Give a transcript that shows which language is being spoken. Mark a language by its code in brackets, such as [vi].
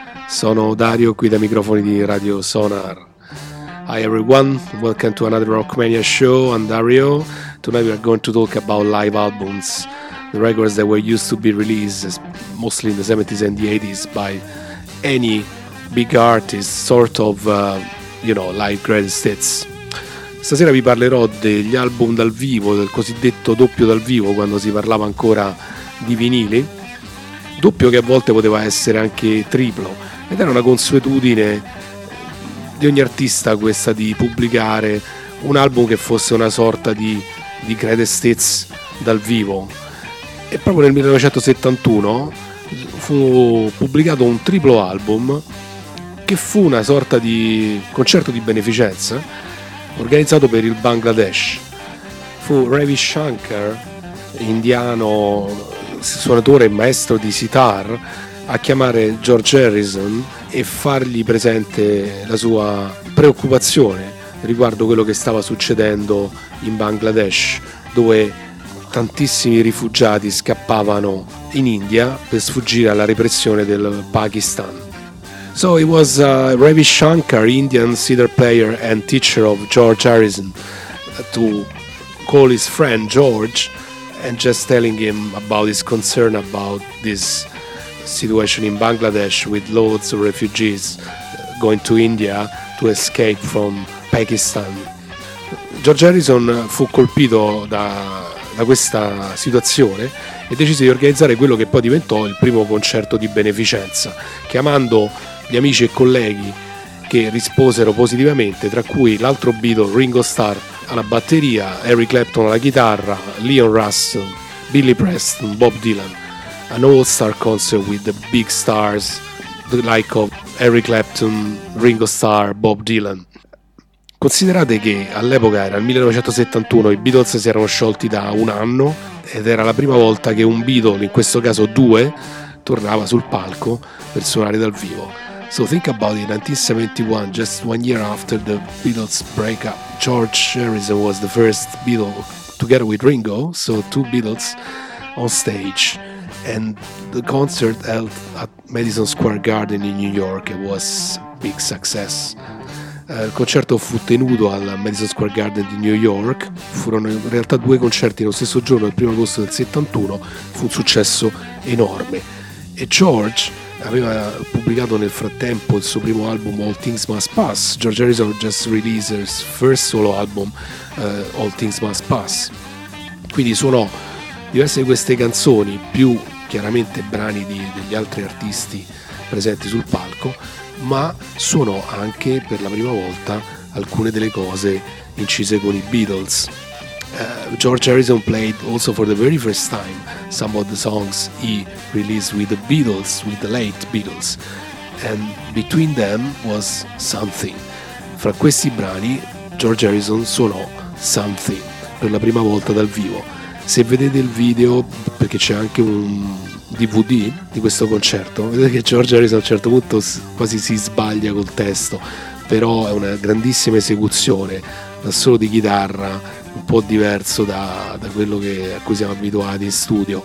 [it] Sono Dario, qui dai microfoni di Radio Sonar. [en] Hi everyone, welcome to another Rockmania show. I'm Dario. Tonight we are going to talk about live albums, the records that were used to be released mostly in the 70s and the 80s by any big artist, sort of, you know, live greatest hits. [it] Stasera vi parlerò degli album dal vivo, del cosiddetto doppio dal vivo, quando si parlava ancora di vinili. Doppio che a volte poteva essere anche triplo, ed era una consuetudine di ogni artista questa di pubblicare un album che fosse una sorta di greatest hits dal vivo. E proprio nel 1971 fu pubblicato un triplo album che fu una sorta di concerto di beneficenza organizzato per il Bangladesh. Fu Ravi Shankar, indiano suonatore e maestro di sitar, a chiamare George Harrison e fargli presente la sua preoccupazione riguardo quello che stava succedendo in Bangladesh, dove tantissimi rifugiati scappavano in India per sfuggire alla repressione del Pakistan. [en] So it was Ravi Shankar, Indian sitar player and teacher of George Harrison, to call his friend George and just telling him about his concern about this situation in Bangladesh with loads of refugees going to India to escape from Pakistan. [it] George Harrison fu colpito da questa situazione e decise di organizzare quello che poi diventò il primo concerto di beneficenza, chiamando gli amici e colleghi che risposero positivamente, tra cui l'altro Beatle, Ringo Starr alla batteria, Eric Clapton alla chitarra, Leon Russell, Billy Preston, Bob Dylan. [en] An all-star concert with the big stars, the like of Eric Clapton, Ringo Starr, Bob Dylan. [it] Considerate che all'epoca era il 1971, i Beatles si erano sciolti da un anno ed era la prima volta che un Beatle, in questo caso due, tornava sul palco per suonare dal vivo. [en] So think about it, 1971, just one year after the Beatles' breakup, George Harrison was the first Beatle, together with Ringo, so two Beatles, on stage. And the concert held at Madison Square Garden in New York, it was a big success. [it] Il concerto fu tenuto al Madison Square Garden di New York, furono in realtà due concerti nello stesso giorno, il 1 agosto del 71, fu un successo enorme. E George aveva pubblicato nel frattempo il suo primo album All Things Must Pass. [en] George Harrison just released his first solo album All Things Must Pass. [it] Quindi suonò diverse di queste canzoni, più chiaramente brani degli altri artisti presenti sul palco, ma suonò anche per la prima volta alcune delle cose incise con i Beatles. [en] George Harrison played also for the very first time some of the songs he released with the Beatles, with the late Beatles, and between them was Something. [it] Fra questi brani George Harrison suonò Something per la prima volta dal vivo. Se vedete il video, perché c'è anche un DVD di questo concerto, vedete che George Harrison a un certo punto quasi si sbaglia col testo, però è una grandissima esecuzione, da solo di chitarra un po' diverso da quello a cui siamo abituati in studio.